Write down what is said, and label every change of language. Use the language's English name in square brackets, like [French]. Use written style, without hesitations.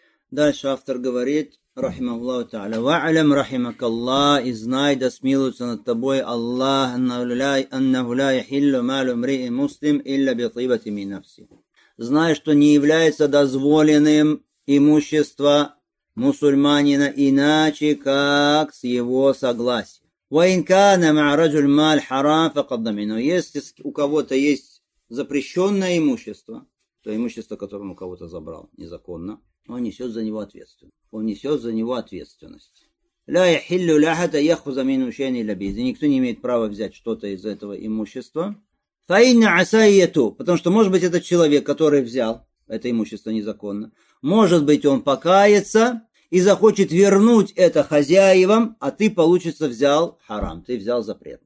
[Russian] Дальше автор говорит, [Arabic] رحمه الله تعالى, وَعَلَمْ رَحِمَكَ اللَّهُ, [Russian] и знай, да смилуется над тобой Аллах, [Arabic] أَنَّهُ لَا يَحِلُّ مَالُ امْرِئٍ مُسْلِمٍ إِلَّا بِطِيبَةٍ مِنْ نَفْسِهِ. [Russian] Знай, что не является дозволенным имущество мусульманина иначе, как с его согласия. [Arabic] وَإِنْ كَانَ مَعَ رَجُلٍ مَالٌ حَرَامٌ فَقَدْ ضَمِنَ. [Russian] Если у кого-то есть запрещенное имущество, то имущество, которое он у кого-то забрал незаконно, он несет за него ответственность. Он несет за него ответственность. [Arabic] لا يحل لأحد أن يأخذ منه شيئا إلا بإذنه. [Russian] Никто не имеет права взять что-то из этого имущества. [Arabic] فَإِنَّ عَسَى أَنْ يَتُوبَ. [Russian] Потому что, может быть, этот человек, который взял это имущество незаконно, может быть, он покается и захочет вернуть это хозяевам, а ты, получится, взял харам, ты взял запрет.